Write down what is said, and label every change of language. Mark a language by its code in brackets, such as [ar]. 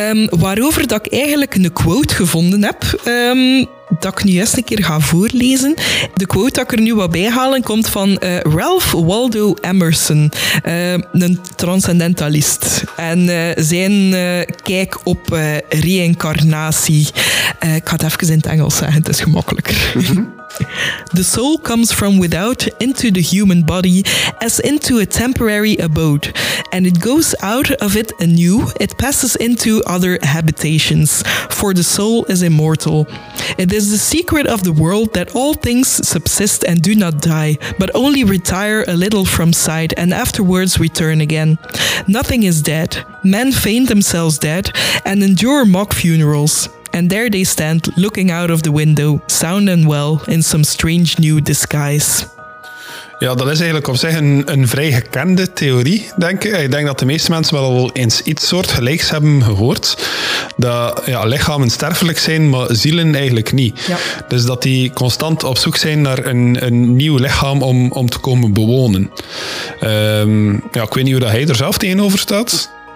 [nl] Waarover dat ik eigenlijk een quote gevonden heb, dat ik nu eerst een keer ga voorlezen. De quote dat ik er nu wat bij halen komt van Ralph Waldo Emerson, een transcendentalist. En zijn kijk op reïncarnatie. Ik ga het even in het Engels zeggen, het is gemakkelijker. [en] The soul comes from without into the human body as into a temporary abode, and it goes out of it anew. It passes into other habitations, for the soul is immortal. It is the secret of the world that all things subsist and do not die, but only retire a little from sight and afterwards return again. Nothing is dead. Men feign themselves dead and endure mock funerals. And there they stand, looking out of the window, sound and well, in some strange new disguise. [nl] Ja, dat is eigenlijk op zich een vrij gekende theorie, denk ik. Ik denk dat de meeste mensen wel eens iets soort gelijks hebben gehoord. Dat lichamen sterfelijk zijn, maar zielen eigenlijk niet. Ja. Dus dat die constant op zoek zijn naar een nieuw lichaam om te komen bewonen. Ik weet niet hoe dat hij er zelf tegenover staat.